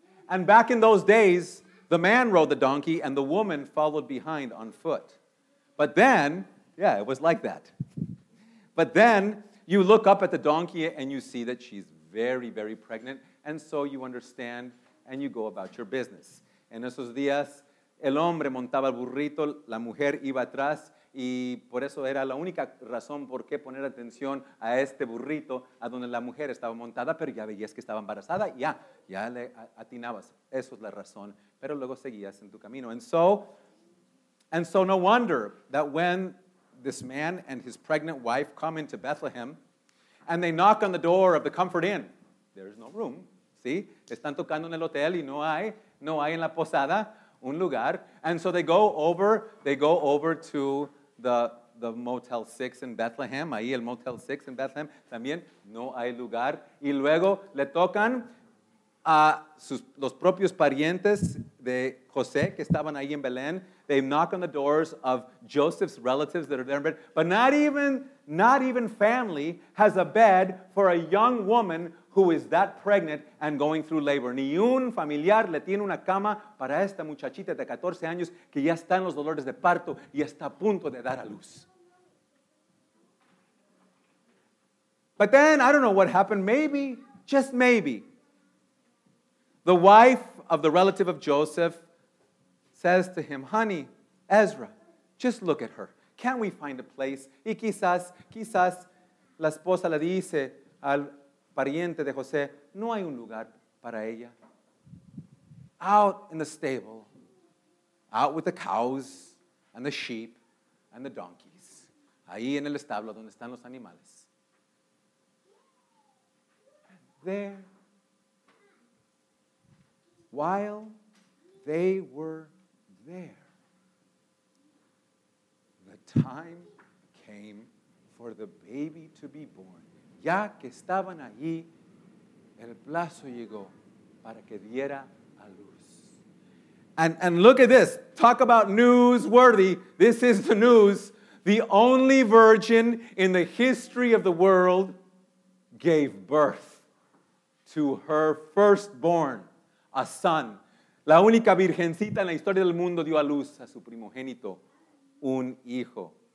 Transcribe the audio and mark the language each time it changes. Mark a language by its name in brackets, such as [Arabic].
[English] And back in those days, the man rode the donkey and the woman followed behind on foot. But then, yeah, it was like that. But then you look up at the donkey and you see that she's very, very pregnant. And so you understand, and you go about your business. [Spanish] En esos días, el hombre montaba el burrito, la mujer iba atrás, y por eso era la única razón por qué poner atención a este burrito, a donde la mujer estaba montada, pero ya veías que estaba embarazada, ya le atinabas. Eso es la razón, pero luego seguías en tu camino. [English] And so no wonder that when this man and his pregnant wife come into Bethlehem, and they knock on the door of the Comfort Inn, there is no room, ¿sí? [Spanish] Están tocando en el hotel y no hay en la posada un lugar. [English] And so they go over to the Motel 6 in Bethlehem. [Spanish] Ahí el Motel 6 [English] in Bethlehem. [Spanish] También no hay lugar. Y luego le tocan a los propios parientes de José que estaban ahí en Belén. [English] They knock on the doors of Joseph's relatives that are there. But not even family has a bed for a young woman who is that pregnant and going through labor. [Spanish] Ni un familiar le tiene una cama para esta muchachita de 14 años que ya está en los dolores de parto y está a punto de dar a luz. [English] But then, I don't know what happened. Maybe, just maybe, the wife of the relative of Joseph says to him, honey, Ezra, just look at her. Can't we find a place? [Spanish] Y quizás la esposa le dice al pariente de José, no hay un lugar para ella. [English] Out in the stable, out with the cows and the sheep and the donkeys. [Spanish] Ahí en el establo donde están los animales. [English] And there, while they were there, the time came for the baby to be born. [Spanish] Ya que estaban allí, el plazo llegó para que diera a luz. [English] And look at this. Talk about newsworthy. This is the news. The only virgin in the history of the world gave birth to her firstborn, a son. [Spanish] La única virgencita en la historia del mundo dio a luz a su primogénito, un hijo.